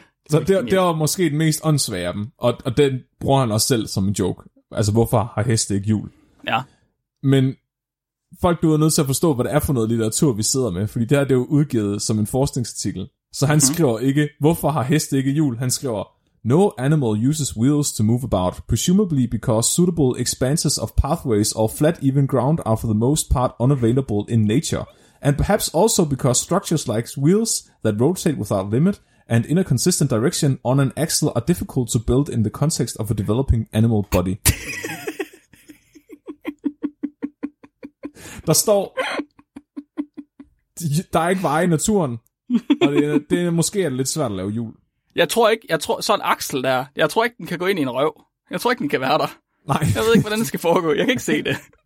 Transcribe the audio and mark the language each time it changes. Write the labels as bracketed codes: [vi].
[da] Så det var måske den mest åndssvage af dem. Og den bruger han også selv som en joke. Altså, hvorfor har heste ikke hjul? Ja. Men folk er nødt til at forstå, hvad det er for noget litteratur, vi sidder med. Fordi det her er jo udgivet som en forskningsartikel. Så han skriver ikke, hvorfor har heste ikke hjul? [en] Han skriver, no animal uses wheels to move about, presumably because suitable expanses of pathways or flat even ground are for the most part unavailable in nature. And perhaps also because structures like wheels that rotate without limit and in a consistent direction on an axle are difficult to build in the context of a developing animal body. [da] Der står, der er ikke veje i naturen, og det er måske er lidt svært at lave hjul. Jeg tror sådan en aksel der, jeg tror ikke, den kan gå ind i en røv. Jeg tror ikke, den kan være der. Nej. Jeg ved ikke, hvordan det skal foregå. Jeg kan ikke se det.